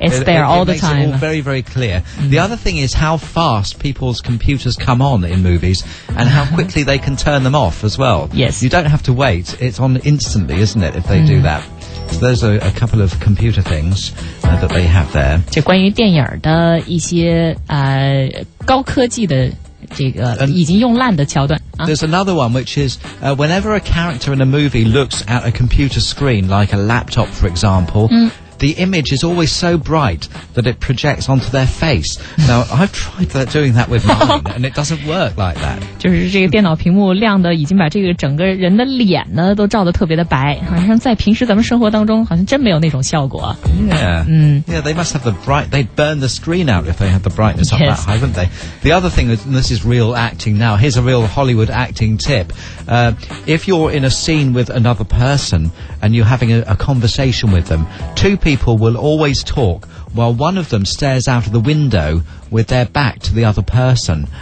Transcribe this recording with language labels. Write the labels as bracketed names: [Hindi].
[English] It's there all the time. It makes it all very, very clear.、The other thing is how fast people's computers come on in movies and how quickly they can turn them off as well. Yes. You don't have to wait. It's on instantly, isn't it, if they、do that? So those are a couple of computer things、that they have there. [Chinese] 这关于电影的一些、高科技的这个已经用烂的桥段、 [English] There's another one which is、whenever a character in a movie looks at a computer screen like a laptop for example、the image is always so bright that it projects onto their face. Now I've tried that, doing that with mine and it doesn't work like that. [Chinese] 就是这个电脑屏幕亮的已经把这个整个人的脸呢都照得特别的白，好像在平时咱们生活当中好像真没有那种效果。 [English] Yeah. Yeah, they must have the bright, they'd burn the screen out if they had the brightness up、that high, wouldn't they? The other thing is, and this is real acting now, here's a real Hollywood acting tip. If you're in a scene with another person and you're having a conversation with them, two people will always talk while one of them stares out of the window with their back to the other person.